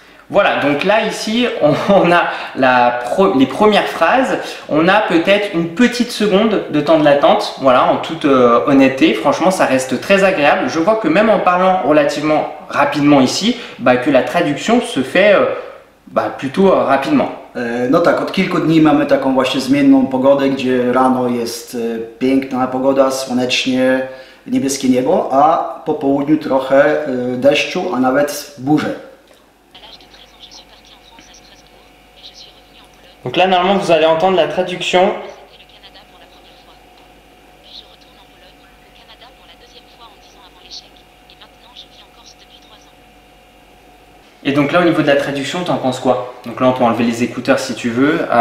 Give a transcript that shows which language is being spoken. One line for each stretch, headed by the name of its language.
French: Voilà, donc là ici, on a les premières phrases. On a peut-être une petite seconde de temps de latence. Voilà, en toute honnêteté, franchement, ça reste très agréable. Je vois que même en parlant relativement rapidement ici, bah, que la traduction se fait plutôt rapidement.
Polish: No tak, od kilku dni mamy taką właśnie zmienną pogodę, gdzie rano jest piękna pogoda, słonecznie, niebieskie niebo, a po południu trochę deszczu, a nawet burze.
French: Donc là, normalement, vous allez entendre la traduction. Et donc là, au niveau de la traduction, t'en penses quoi? Donc là, on peut enlever les écouteurs si tu veux.